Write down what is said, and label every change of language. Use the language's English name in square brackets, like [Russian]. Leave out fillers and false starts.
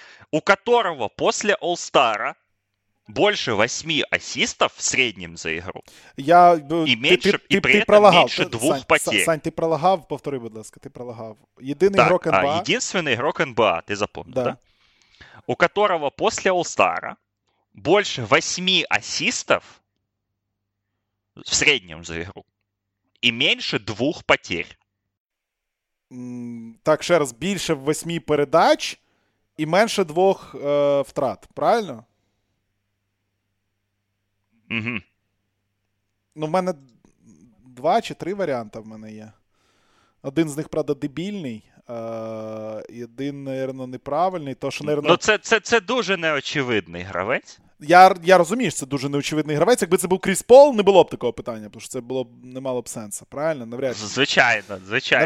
[Russian] У которого после All-Star'а больше 8 ассистов в среднем за игру. И при этом меньше двух потерь. Сань, [Ukrainian] ты пролагав, повтори, будь ласка, ты пролагав. [Russian] Единственный игрок НБА, ты запомнил, да? У которого после All-Star'а больше 8 ассистов в среднем за игру и меньше 2 потерь. Так, еще раз, больше 8 передач и меньше 2 [Ukrainian] втрат, [Russian] правильно? Угу. Ну, у меня 2 или 3 варианта [Ukrainian] в мене є. Один з них, правда, дебільний. Один, наверное, неправильний. То, що, наверное... Ну, це дуже неочевидний гравець. Я розумію, що це дуже неочевидний гравець. Якби це був Кріс Пол, не було б такого питання, тому що це було б, не мало б сенсу, правильно? Навряд чи. Звичайно.